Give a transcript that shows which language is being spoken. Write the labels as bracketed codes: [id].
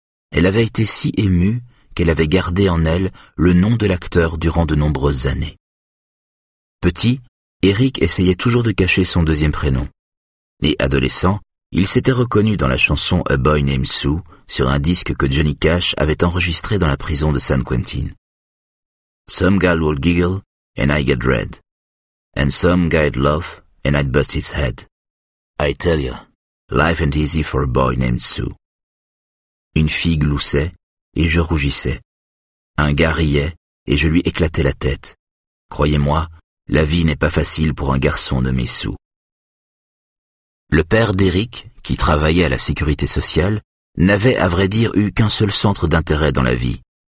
[fr] Elle avait été si émue qu'elle avait gardé en elle le nom de l'acteur durant de nombreuses années. Petit, Eric essayait toujours de cacher son deuxième prénom. Et adolescent, il s'était reconnu dans la chanson « A Boy Named Sue » sur un disque que Johnny Cash avait enregistré dans la prison de San Quentin. [en] Some gal will giggle and I get red. And some guy'd laugh and I'd bust his head. I tell ya, life ain't easy for a boy named Sue. [fr] Une fille gloussait et je rougissais. Un gars riait et je lui éclatais la tête. Croyez-moi, la vie n'est pas facile pour un garçon nommé Sue. Le père d'Eric, qui travaillait à la sécurité sociale, n'avait à vrai dire eu qu'un seul centre d'intérêt dans la vie.